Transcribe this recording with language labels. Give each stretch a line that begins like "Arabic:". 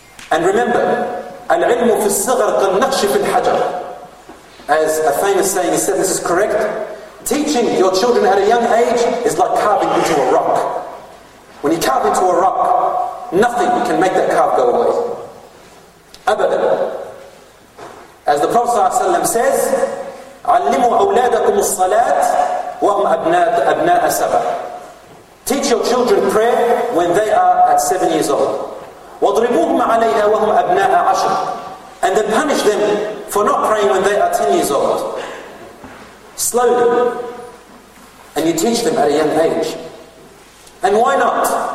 English: And remember,
Arabic: العلم في الصغر كالنقش في الحجر.
English: As a famous saying is said, this is correct. Teaching your children at a young age is like carving into a rock. When you carve into a rock, nothing can make that carve go away.
Arabic: Abadan.
English: As the Prophet ﷺ says,
Arabic: علموا أولادكم الصلاة وهم أبناء سبع.
English: Teach your children prayer when they are at 7 years old.
Arabic: وَضْرِبُوهُمْ عَلَيْهَا وَهُمْ أَبْنَاءَ عَشْرٍ.
English: And then punish them for not praying when they are 10 years old. Slowly. And you teach them at a young age. And why not?